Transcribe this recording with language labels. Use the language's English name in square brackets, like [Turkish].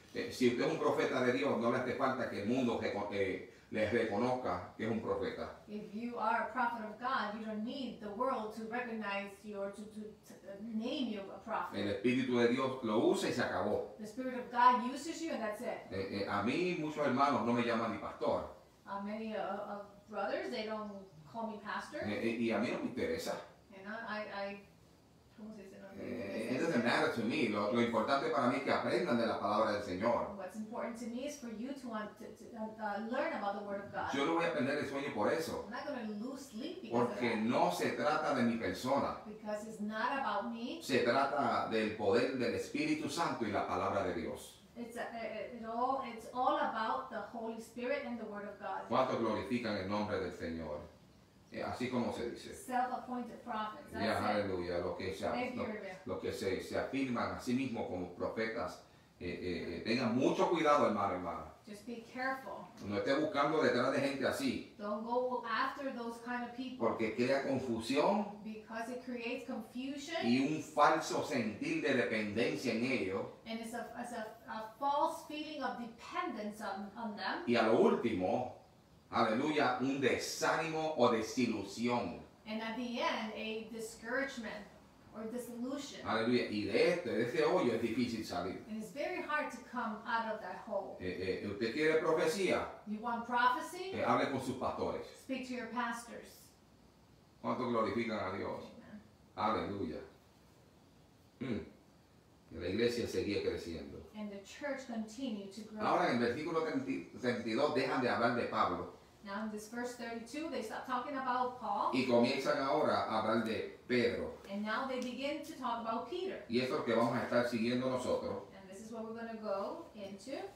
[Spanish] Si usted es un profeta de Dios, no le hace falta que el mundo les reconozca que es un profeta. [English] If you are a prophet of God, you don't need the world to recognize you or to name you a prophet. [Spanish] El Espíritu de Dios lo usa y se acabó. [English] The Spirit of God uses you and that's it. [Spanish] A mí muchos hermanos no me llaman ni pastor. [English] Many of brothers, they don't call me pastor. [Spanish] Y a mí no me interesa. [English] And I It doesn't matter to me. [Spanish] Lo importante para mí es que aprendan de la palabra del Señor. [English] What's important to me is for you to want to learn about the word of God. [Spanish] Yo no voy a perder el sueño por eso. [English] I'm not going to lose sleep because [Spanish] porque [English] of that. [Spanish] Porque no se trata de mi persona. [English] Because it's not about me. [Spanish] Se trata del poder del Espíritu Santo y la palabra de Dios. [English] It's all about the Holy Spirit and the word of God. [Spanish] ¿Cuántos glorifican el nombre del Señor? Así como se dice. [English] Self-appointed prophets. [Spanish] Aleluya. Los que se afirman a sí mismos como profetas. Tengan mucho cuidado, hermano. [English] Just be careful. [Spanish] No esté buscando detrás de gente así. [English] Don't go after those kind of people. [Spanish] Porque crea confusión. [English] Because it creates confusion. [Spanish] Y un falso sentir de dependencia en ellos. [English] And it's a false feeling of dependence on them. [Spanish] Y a lo último. Aleluya, un desánimo o desilusión. [English] And at the end, a discouragement or disillusion. [Spanish] Aleluya, y de este hoyo es difícil salir. [English] And it's very hard to come out of that hole. [Spanish] ¿Usted quiere profecía? [English] You want prophecy? [Spanish] Hable con sus pastores. [English] Speak to your pastors. [Spanish] ¿Cuánto glorifican a Dios? [English] Amen. [Spanish] Aleluya. La iglesia seguía creciendo. [English] And the church continued to grow. [Spanish] Ahora en versículo 32 dejan de hablar de Pablo. [English] Now in this verse 32 they stop talking about Paul. [Spanish] Y comienzan ahora a hablar de Pedro. [English] And now they begin to talk about Peter. [Spanish] Y eso es lo que vamos a estar siguiendo nosotros. [English] And this is what we're going to go into.